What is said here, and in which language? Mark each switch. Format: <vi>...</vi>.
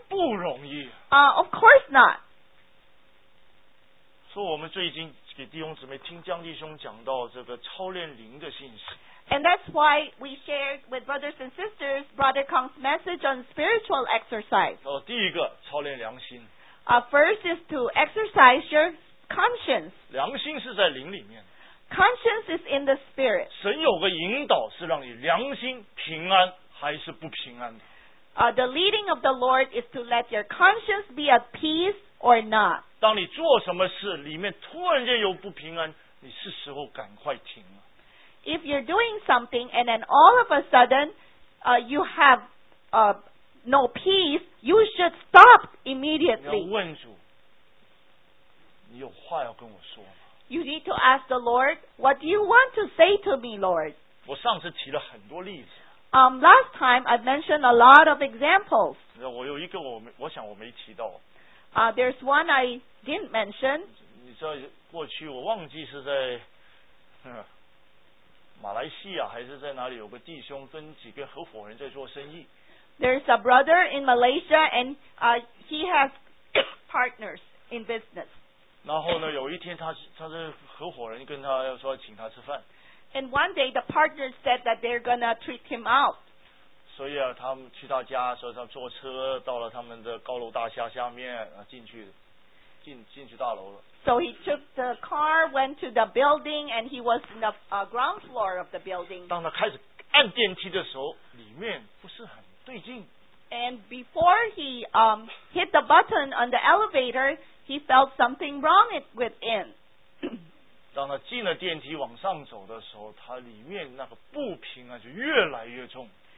<zh>不容易。</zh> <en>Of course not.</en> <zh>所以我们最近给弟兄姊妹听江弟兄讲到这个操练灵的信息。</zh> <en>And that's why we shared with brothers and sisters Brother Kong's message on spiritual exercise.</en> <zh>第一个，操练良心。</zh> <en>First is to exercise your conscience.</en> <zh>良心是在灵里面。</zh> <en>Conscience is in the spirit.</en> <zh>神有个引导是让你良心平安还是不平安的。</zh> <en>The leading of the Lord is to let your conscience be at peace or not.</en> <zh>当你做什么事里面突然间有不平安，你是时候赶快停了。</zh> <en>If you're doing something and then all of a sudden you have no peace, you should stop immediately.</en> <zh>你要问主，你有话要跟我说吗？</zh> <en>You need to ask the Lord, what do you want to say to me, Lord?</en> <zh>我上次提了很多例子。</zh> <en>Last time I mentioned a lot of examples.</en> <zh>我有一个我想我没提到。</zh> <en>There's one I didn't mention.</en> <zh>你知道过去我忘记是在马来西亚还是在哪里，有个弟兄跟几个合伙人在做生意。</zh> <en>There's a brother in Malaysia and he has partners in business.</en> <zh>然后呢，有一天他的合伙人跟他要说请他吃饭。</zh> <en>And one day the partner said that they're gonna treat him out.</en> <zh>所以啊，他们去他家，所以他坐车到了他们的高楼大厦下面，进去大楼了。</zh> <en>So he took the car, went to the building, and he was in the ground floor of the building.</en> <zh>当他开始按电梯的时候，里面不是很对劲。</zh> <en>And before he hit the button on the elevator, he felt something wrong within.</en> <zh>当他进了电梯往上走的时候，他里面那个不平啊就越来越重。</zh>